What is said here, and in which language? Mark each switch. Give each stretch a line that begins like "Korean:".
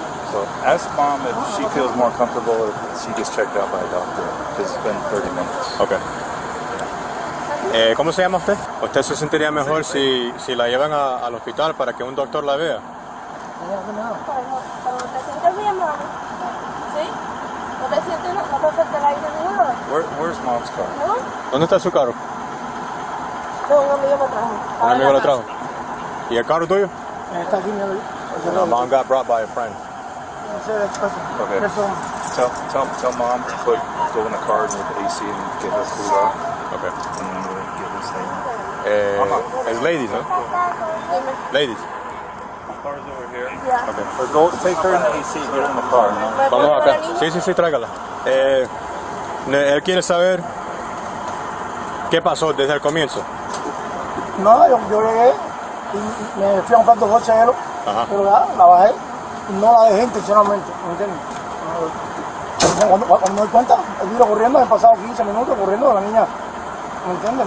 English: So ask mom if she feels more comfortable if she gets checked out by a doctor, because it's been 30 minutes.
Spanish: Okay. ¿Cómo se llama usted? ¿Usted se sentiría mejor si la llevan al hospital para que un doctor la vea?
English: I don't know.
Spanish: ¿Cómo se llama?
English: Where's mom's car?
Spanish: ¿Dónde está su carro? Un amigo lo trajo. ¿Y el carro tuyo? Está aquí.
English: No, mom got brought by a friend. Okay. Tell mom to put go in the car and with the AC and get her cooled off. Okay. And then we'll get this thing. It's ladies, huh? Ladies. Car's over here. Yeah. Okay. Or go take her in the AC and get her in the car.
Spanish: Vamos acá. Sí, tráigala. Él quiere saber qué pasó desde el comienzo. No, yo llegué y me fui a un par de coches de hielo, pero ya, la bajé. No la dejé intencionalmente, ¿me entiendes? Cuando me doy cuenta, he ido corriendo, he pasado 15 minutos corriendo de la niña, ¿me entiendes?